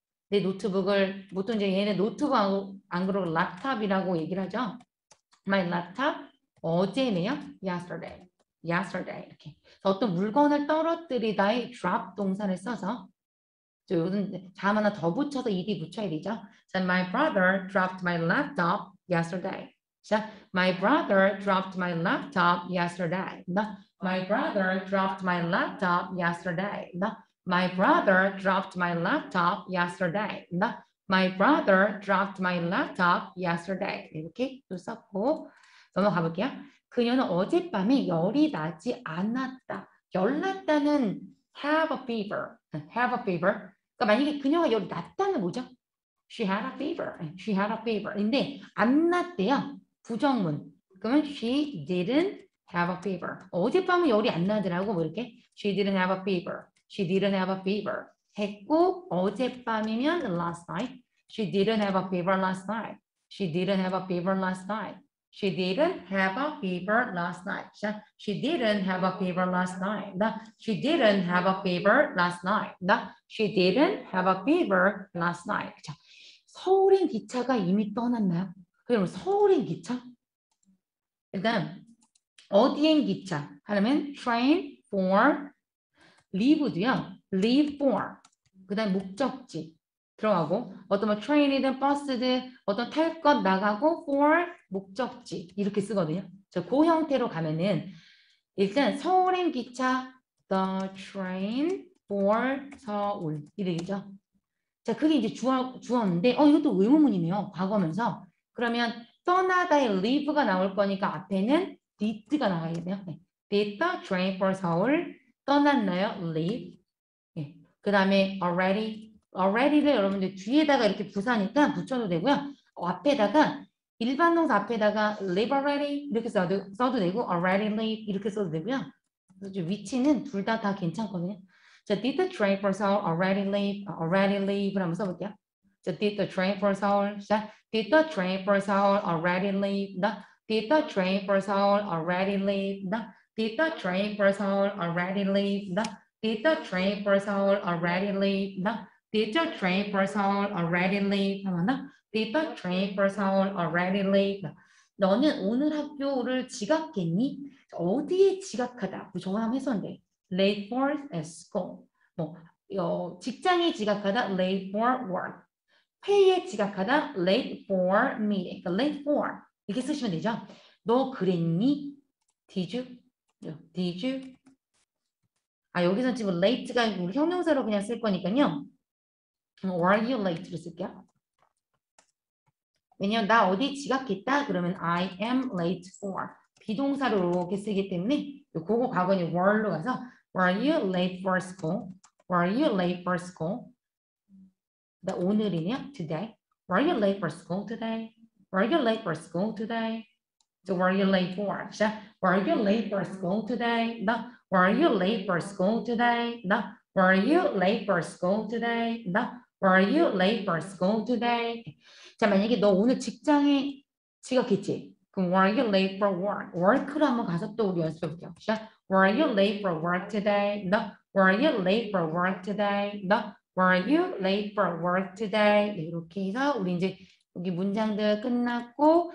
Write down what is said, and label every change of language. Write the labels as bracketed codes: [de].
[ko] 내 노트북을 보통 이제 얘네 노트북하고 안 그러고 랩탑이라고 얘기를 하죠. [en] My laptop [ko] 어제네요. Yesterday 이렇게 어떤 물건을 떨어뜨리다의 drop 동사를 써서 요즘 자음 하나 더 붙여서 ed 붙여야 되죠. [en] So my brother dropped my laptop yesterday. So my brother dropped my laptop yesterday. My brother dropped my laptop yesterday. My brother dropped my laptop yesterday. My brother dropped my laptop yesterday. [ko] 이렇게 또 썼고 넘어가 볼게요. 그녀는 어젯밤에 열이 나지 않았다. 열났다는 [en] have a fever. Have a fever. [ko] 그러니까 만약에 그녀가 열이 났다는 뭐죠? [en] She had a fever. She had a fever. [ko] 근데 안 났대요. 부정문. 그러면 [en] she didn't have a fever. [ko] 어젯밤에 열이 안 나더라고 뭐 이렇게. [en] She didn't have a fever. She didn't have a fever. [ko] 했고 어젯밤이면 [en] last night. She didn't have a fever last night. She didn't have a fever last night. She didn't have a fever last night. She didn't have a fever last night. She didn't have a fever last night. She didn't have a fever last night. [ko] 자, 서울행 기차가 이미 떠났나요? 그럼 서울행 기차? 일단 어디행 기차? 하려면 [en] train for leave [ko] 도요. [en] leave for [ko] 그다음에 목적지 들어가고 어떤 뭐 트레인이든 버스든 어떤 탈것 나가고 for 목적지 이렇게 쓰거든요. 저그 형태로 가면은 일단 서울행 기차 [en] the train for [ko] 서울 이래죠. 자 그게 이제 주어인데 이것도 의문문이네요. 과거면서 그러면 떠나다의 leave가 나올 거니까 앞에는 did가 나가야겠네요. 네. [en] Did the train for 서울 [ko] 떠났나요? [en] Leave. [ko] 네. 그 다음에 already를 여러분들 뒤에다가 이렇게 부사니까 붙여도 되고요. 앞에다가 일반 동사 앞에다가 [en] leave already [ko] 이렇게 써도 되고 [en] already leave [ko] 이렇게 써도 되고요. 위치는 둘다다 괜찮거든요. [en] 자, did the train for 서울 already leave [ko] 한번 써볼게요. [en] 자, did the train for 서울. 자, did the train for 서울 already leave. 나 Did the train for Seoul already leave? No. Did the train for Seoul already leave? No. Did the train for Seoul already leave? No. Did the train for Seoul already leave? No. Did the train for Seoul already leave? No. [ko] 너는 오늘 학교를 지각했니? 어디에 지각하다? 저거 한번 했었는데. [en] Late for school. [ko] 직장에 지각하다. [en] Late for work. [ko] 회의에 지각하다. [en] Late for meeting. Late for. [ko] 이렇게 쓰시면 되죠. 너 그랬니? [en] Did you? [ko] 아, 여기서 지금 late가 우리 형용사로 그냥 쓸 거니까요. [en] Were you late를 [ko] 쓸게요. 왜냐면 나 어디 지각했다? 그러면 [en] I am late for. [ko] 비동사로 이렇게 쓰기 때문에 그거 과거는 were로 가서 [en] Were you late for school? Were you late for school? [ko] 나 오늘이냐? [en] Today. Were you late for school today? Were you late for school today? So were you late for? Were you late for school today? No. Were you late for school today? No. Were you late for school today? No. Were you late for school today? [ko] 자, 만약에 너 오늘 직장에 지각했지? 그럼 [en] were you late for work? [ko] Work로 한번 가서 또 우리 연습해볼게요. [en] Were you late for work today? No. Were you late for work today? No. Were you late for work today? [ko] 이렇게 해서 우리 이제 여기 문장들 끝났고